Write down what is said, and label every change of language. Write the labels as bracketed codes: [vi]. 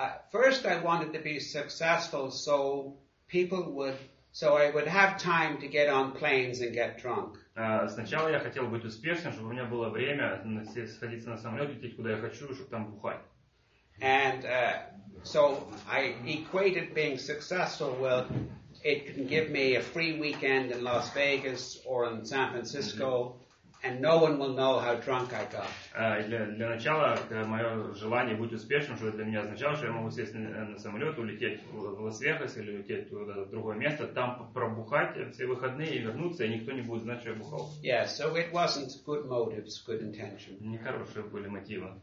[en] First I wanted to be successful so I would have time to get on planes and get drunk. [ru] Сначала я хотел быть успешным, чтобы у меня было время сходиться на самолёт, лететь куда я хочу, чтобы там бухать. [en] And so I equated being successful with it can give me a free weekend in Las Vegas or in San Francisco, and no one will know how drunk I got. [ru] Для начала мое желание быть успешным, что для меня означало, что я могу сесть на самолет, улететь в Лас-Вегас или улететь в другое место, там пробухать все выходные и вернуться, и никто не будет знать, что я бухал. [en] Yeah, so it wasn't good motives, good intention. [ru] Нехорошие были мотивы.